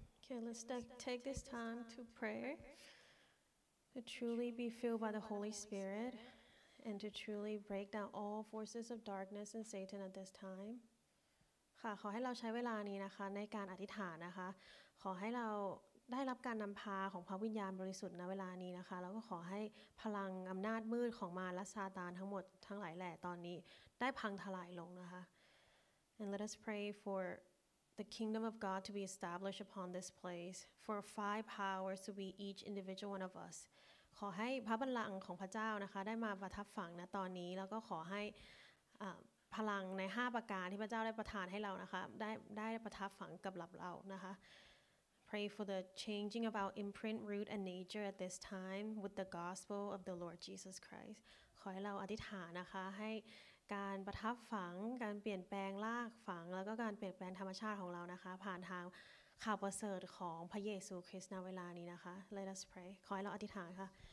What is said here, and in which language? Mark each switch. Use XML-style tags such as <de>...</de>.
<en>Okay, let's take this time to pray to truly be filled by the Holy Spirit and to truly break down all forces of darkness and Satan at this time.</en> <th>ค่ะขอให้เราใช้เวลานี้นะคะในการอธิษฐานนะคะขอให้เราได้รับการนำพาของพระวิญญาณบริสุทธิ์ในเวลานี้นะคะแล้วก็ขอให้พลังอำนาจมืดของมารและซาตานทั้งหมดทั้งหลายแหล่ตอนนี้ได้พังทลายลงนะคะ</th> <en>And let us pray forThe kingdom of God to be established upon this place, for five powers to be each individual one of us.</en> <th>ขอให้พระบัลลังก์ของพระเจ้านะคะได้มาประทับฝังนะตอนนี้แล้วก็ขอให้พลังใน5ประการที่พระเจ้าได้ประทานให้เรานะคะได้ประทับฝังกับเรานะคะ</th> <en>Pray for the changing of our imprint, root, and nature at this time with the gospel of the Lord Jesus Christ.</en> <th>ขอให้เราอธิษฐานนะคะให้การประทับฝังการเปลี่ยนแปลงรากฝังแล้วก็การเปลี่ยนแปลงธรรมชาติของเรานะคะผ่านทางข่าวประเสริฐของพระเยซูคริสต์ณเวลานี้นะคะ</th> <en>Let us pray</en> <th>ขอให้เราอธิษฐานค่ะ</th>